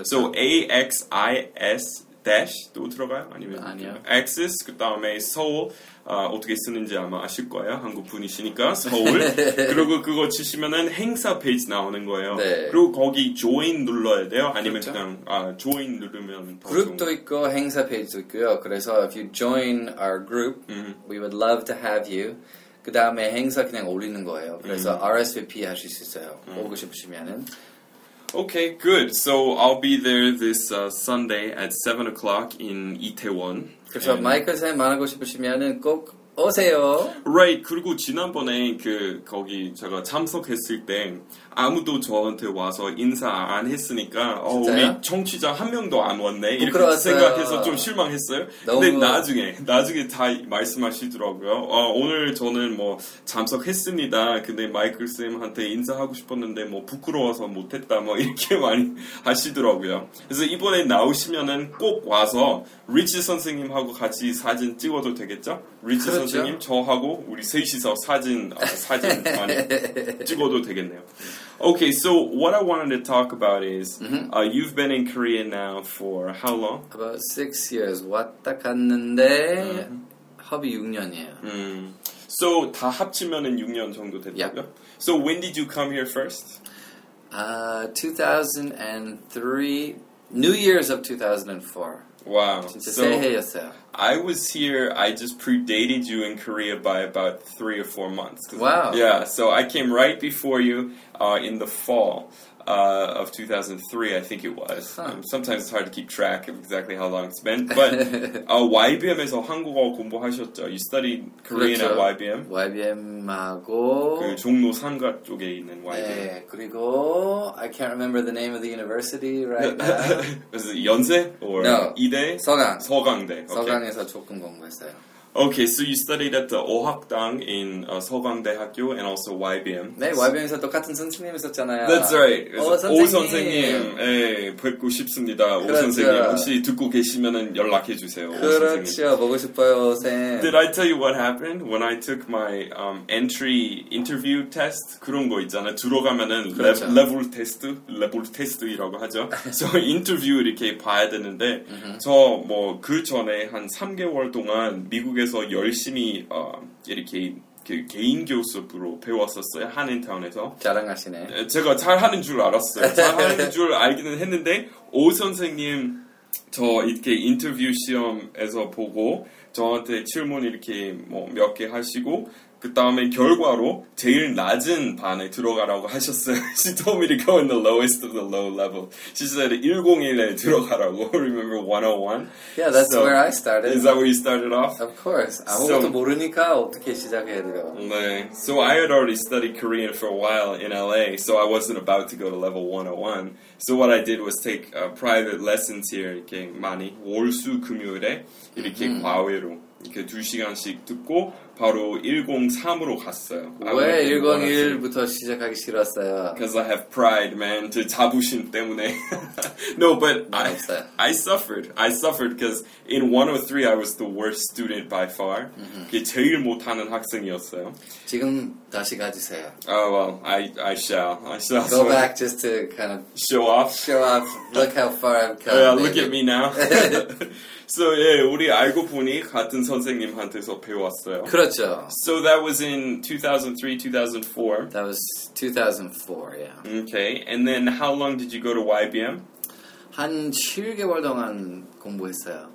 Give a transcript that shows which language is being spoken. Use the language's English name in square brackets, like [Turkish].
[Korean] So AXIS dash 또 들어가요? 아니면 아니요. Access 그다음에 Seoul 어떻게 쓰는지 아마 아실 거예요. 한국 분이시니까 Seoul 그리고 그거 치시면은 행사 페이지 나오는 거예요. 네. 그리고 거기 Join 눌러야 돼요. 아니면 그렇죠? 그냥 Join 누르면 그룹도 있고 행사 페이지도 있고요. [English] 그래서 if you join our group, we would love to have you. [Korean] 그다음에 행사 그냥 올리는 거예요. 그래서 RSVP 하실 수 있어요. 오고 싶으시면은. [English] Okay, good. So I'll be there this Sunday at 7 o'clock in Itaewon. [Korean] 그래서 마이클 쌤 만나고 싶으시면은 꼭 오세요. [English] Right. [Korean] 그리고 지난번에 그 거기 제가 참석했을 때 아무도 저한테 와서 인사 안 했으니까 우리 청취자 한 명도 안 왔네 이렇게 생각해서 좀 실망했어요. 너무... 근데 나중에 다 말씀하시더라고요. 오늘 저는 뭐 참석했습니다. 근데 마이클 쌤한테 인사하고 싶었는데 뭐 부끄러워서 못했다 뭐 이렇게 많이 하시더라고요. 그래서 이번에 나오시면은 꼭 와서 리치 선생님하고 같이 사진 찍어도 되겠죠? 리치 그렇죠. 선생님 저하고 우리 셋이서 사진 많이 찍어도 되겠네요. [English] Okay, so what I wanted to talk about is you've been in Korea now for how long? About 6 years. [Korean] 왔다 갔는데 합이 6년이에요. So 다 합치면은 6년 정도 됐다고요? [English] Yep. So when did you come here first? 2003, New Year's of 2004. Wow. So, I was here, I just predated you in Korea by about 3 or 4 months. Wow. Yeah, so I came right before you in the fall of 2003, I think it was. Huh. Sometimes it's hard to keep track of exactly how long it's been. But [Korean] YBM에서 한국어 공부하셨죠? [English] You studied Korean [Korean] 그렇죠. [English] at YBM? [Korean] YBM하고... 그 종로 상가 쪽에 있는 YBM. 네, 그리고 [English] I can't remember the name of the university right now. Was it 연세? Or no. [Korean] 이대? 서강. 서강대. Okay. 서강에서 조금 공부했어요. [English] Okay, so you studied at the 5학당 in 서강대학교 and also YBM. [Korean] 네, YBM에서 똑같은 선생님 있었잖아요. [English] That's right. [Korean] 오 선생님. 네, 뵙고 싶습니다. 그렇죠. 오 선생님. 혹시 듣고 계시면 연락해 주세요. 그렇죠. 보고 싶어요, 쌤. [English] Did I tell you what happened when I took my entry interview test? [Korean] 그런 거 있잖아요. 들어가면은 그렇죠. 레벨 테스트이라고 하죠. So interview 이렇게 봐야 되는데 저 뭐 그 전에 한 3개월 동안 미국에서 열심히 이렇게 그 개인 교습으로 배웠었어요. 한인타운에서. 자랑하시네. 제가 잘하는 줄 알았어요. 잘하는 줄 알기는 했는데 오 선생님 저 이렇게 인터뷰 시험에서 보고 저한테 질문 이렇게 뭐 몇 개 하시고 그 다음에 결과로 제일 낮은 반에 들어가라고 하셨어요. [English] She told me to go in the lowest of the low level. She said [Korean] 101에 들어가라고. [English] Remember 101? Yeah, that's so, where I started. Is that where you started off? Of course. [Korean] 아무것도 모르니까 어떻게 시작해야 돼요? [English] 네. So I had already studied Korean for a while in LA, so I wasn't about to go to level 101. So what I did was take private lessons here, [Korean] 이렇게 많이, 월, 수, 금요일에 이렇게 과외로. 이렇게 두 시간씩 듣고 바로 103으로 갔어요. 왜 101부터 시작하기 싫었어요? [English] Because I have pride, man. [Korean] 제 자부심 때문에. [English] No, but I suffered because in 103 I was the worst student by far. [Korean] 그게 제일 못하는 학생이었어요. 지금 다시 가주세요. [English] Oh, well, I shall. Go back just to kind of... Show off. Look how far I've come. Yeah, look at me now. [Korean] So, 예, 우리 알고 보니 같은 선생님한테서 배웠어요. 그렇죠. [English] So that was in 2003, 2004. That was 2004, yeah. Okay, and then how long did you go to YBM? [Korean] 한 7개월 동안 공부했어요.